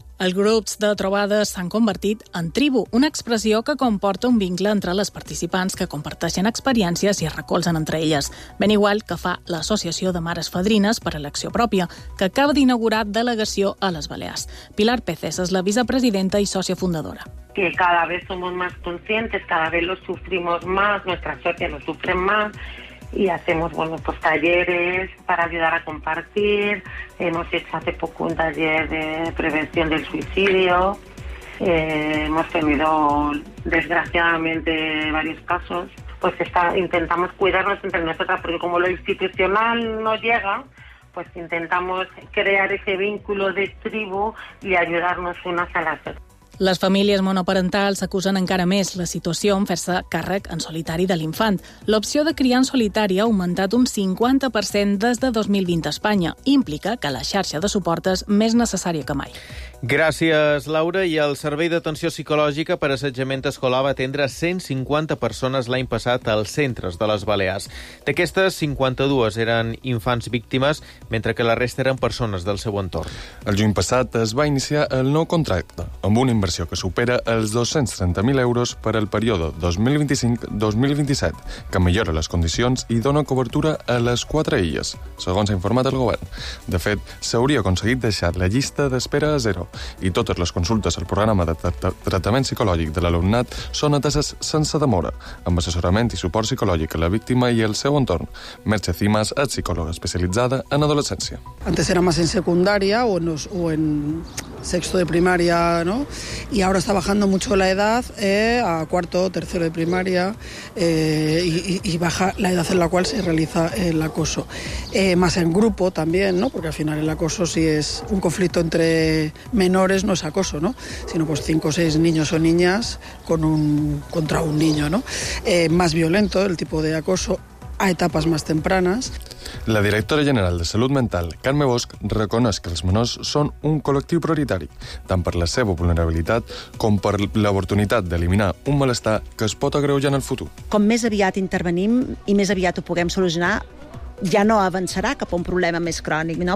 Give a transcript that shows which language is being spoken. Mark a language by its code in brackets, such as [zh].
[ca] Els grups de trobades s'han convertit en tribu, una expressió que comporta un vincle entre les participants que comparteixen experiències i es recolzen entre elles. Ben igual que fa l'Associació de Mares Fadrines per elecció pròpia, que acaba d'inaugurar delegació a les Balears. Pilar Peces és la vicepresidenta i sòcia fundadora. [es] Que cada vez somos más conscientes, cada vez lo sufrimos más, nuestra sòcia lo sufre más. Y hacemos, bueno, pues talleres para ayudar a compartir. Hemos hecho hace poco un taller de prevención del suicidio. Hemos tenido, desgraciadamente, varios casos. Pues intentamos cuidarnos entre nosotras, porque como lo institucional no llega, pues intentamos crear ese vínculo de tribu y ayudarnos unas a las otras. [ca] Les famílies monoparentals acusen encara més la situació en fer-se càrrec en solitari de l'infant. L'opció de criar en solitari ha augmentat un 50% des de 2020 a Espanya. Implica que la xarxa de suport és més necessària que mai. Gràcies, Laura. I el Servei d'Atenció Psicològica per Assetjament Escolar va atendre 150 persones l'any passat als centres de les Balears. D'aquestes, 52 eren infants víctimes, mentre que la resta eren persones del seu entorn. El juny passat es va iniciar el nou contracte, amb una inversió que supera els 230.000 euros per al període 2025-2027, que millora les condicions i dona cobertura a les quatre illes, segons ha informat el govern. De fet, s'hauria aconseguit deixar la llista d'espera a zero i totes les consultes al programa de tractament psicològic de l'alumnat són ateses sense demora, amb assessorament i suport psicològic a la víctima i al seu entorn. Mercè Cimas és psicòloga especialitzada en adolescència. [es] Antes era más en secundària o en sexto de primaria, ¿no? Y ahora está bajando mucho la edad a cuarto, tercero de primaria y baja la edad en la cual se realiza el acoso. Más en grupo también, ¿no? Porque al final el acoso, si es un conflicto entre menores, no es acoso, ¿no? Sino pues 5 o 6 niños o niñas contra un niño, ¿no? Más violento el tipo de acoso. a etapas más tempranas. [ca] La directora general de Salut Mental, Carme Bosch, reconeix que els menors són un col·lectiu prioritari, tant per la seva vulnerabilitat com per l'oportunitat d'eliminar un malestar que es pot agreujar en el futur. Com més aviat intervenim i més aviat ho puguem solucionar, ja no avançarà cap a un problema més crònic, no?